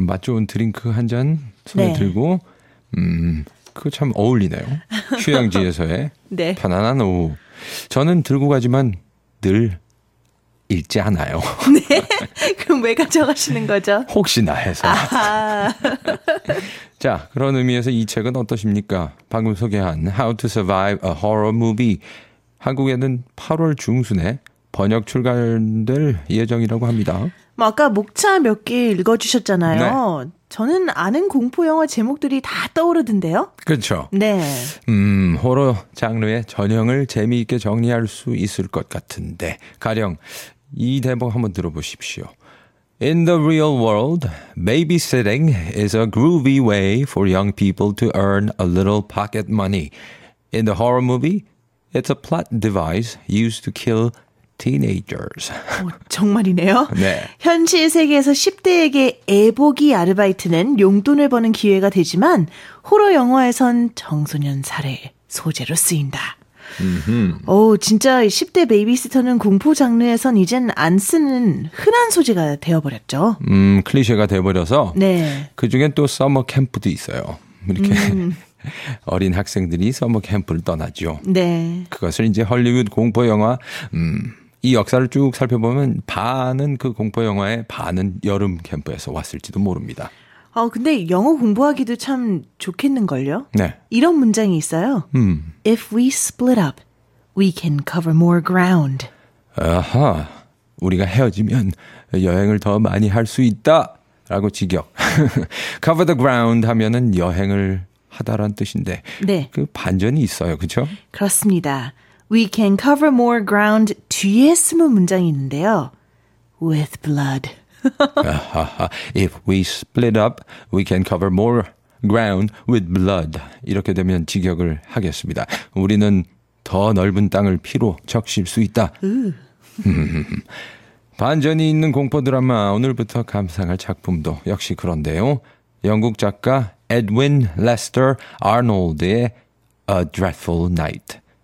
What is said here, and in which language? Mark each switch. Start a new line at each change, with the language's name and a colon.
Korean: 맛 좋은 드링크 한 잔 손에 네. 들고 그거 참 어울리네요. 휴양지에서의 네. 편안한 오후. 저는 들고 가지만 늘 읽지 않아요. 네? 그럼 왜 가져가시는 거죠? 혹시나 해서. 자, 그런 의미에서 이 책은 어떠십니까? 방금 소개한 How to Survive a Horror Movie. 한국에는 8월 중순에 번역 출간될 예정이라고 합니다. 뭐 아까 목차 몇 개 읽어주셨잖아요. 네. 저는 아는 공포 영화 제목들이 다 떠오르던데요. 그렇죠. 네. 호러 장르의 전형을 재미있게 정리할 수 있을 것 같은데 가령 이 대목 한번 들어보십시오.
English: In the real world, babysitting is a groovy way for young people to earn a little pocket money. In the horror movie, it's a plot device used to kill teenagers.
Korean: 정말이네요. 네. 현실 세계에서 10대에게 애보기 아르바이트는 용돈을 버는 기회가 되지만 호러 영화에선 청소년 살해 소재로 쓰인다. 오, 진짜 10대 베이비시터는 공포 장르에선 이젠 안 쓰는 흔한 소재가 되어버렸죠. 클리셰가 되어버려서 네. 그중엔 또 서머 캠프도 있어요. 이렇게 어린 학생들이 서머 캠프를 떠나죠. 네. 그것을 이제 할리우드 공포 영화 이 역사를 쭉 살펴보면 반은 그 공포 영화의 반은 여름 캠프에서 왔을지도 모릅니다. 근데 영어 공부하기도 참 좋겠는걸요? 네. 이런 문장이 있어요.
English: If we split up, we can cover more ground.
Korean: 아하, 우리가 헤어지면 여행을 더 많이 할 수 있다. 라고 직역.
English: cover the ground
Korean: 하면은 여행을 하다란 뜻인데. 네. 그 반전이 있어요. 그쵸? 그렇습니다.
English: We can cover more ground
Korean: 뒤에 숨은 문장이 있는데요.
English: With blood. If we split up, we can cover more ground with blood.
Korean: 이렇게 되면 직역을 하겠습니다. 우리는 더 넓은 땅을 피로 적실 수 있다. 반전이 있는 공포 드라마 오늘부터 감상할 작품도 역시 그런데요. 영국 작가 에드윈 레스터 아놀드의 A Dreadful Night.